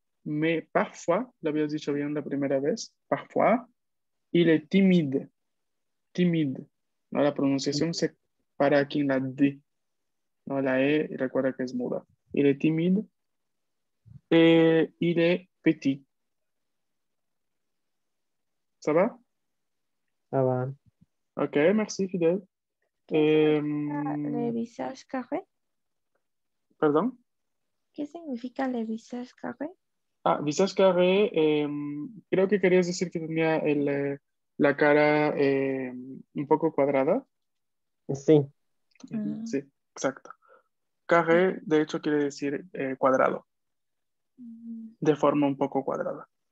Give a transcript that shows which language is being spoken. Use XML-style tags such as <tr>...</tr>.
<fr>Mais parfois, l'avais dit bien la première fois, parfois, il est timide. Timide. No, la prononciation, c'est para quien la D.</fr> <es>No, la E, recuerda que es muda.</es> <fr>Il est timide et il est petit. Ça va? Ça va. Ok, merci Fidel. Le visage carré? Pardon? Qu'est-ce que signifie le visage carré?</fr> <es>Ah, visage carré, creo que querías decir que tenía la cara un poco cuadrada. Sí. Sí, exacto. Carré, de hecho, quiere decir cuadrado. De forma un poco cuadrada.</es>